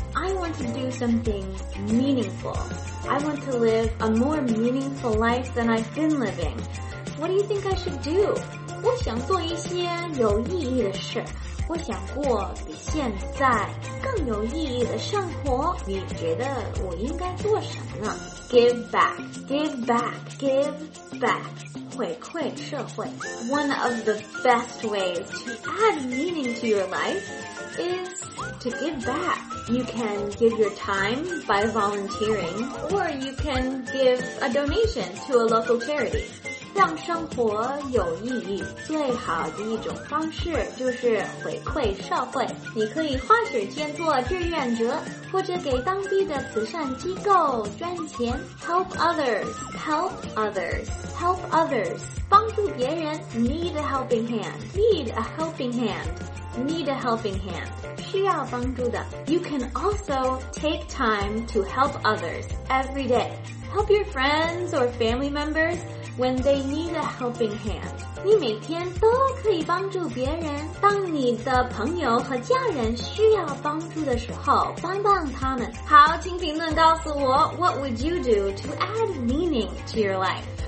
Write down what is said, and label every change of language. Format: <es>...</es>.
<en>I want to do something meaningful, I want to live a more meaningful life than I've been living. What do you think I should do?</en> <zh>我想做一些有意义的事，我想过比现在更有意义的生活。你觉得我应该做什么呢？</zh> <en>Give back, give back, give back.</en> <zh>回馈社会。</zh> <en>One of the best ways to add meaning to your life is to give back. You can give your time by volunteering, or you can give a donation to a local charity.</en> <zh>让生活有意义，最好的一种方式就是回馈社会。你可以花时间做志愿者，或者给当地的慈善机构捐钱。</zh> <en>Help others, help others, help others.</en> <zh>帮助别人</zh> <en>，need a helping hand, need a helping hand. Need a helping hand.</en> <zh>需要帮助的。</zh> <en>You can also take time to help others every day. Help your friends or family members when they need a helping hand.</en> <zh>你每天都可以帮助别人。当你的朋友和家人需要帮助的时候，帮帮他们。好，请评论告诉我</zh> <en>,What would you do to add meaning to your life?</en>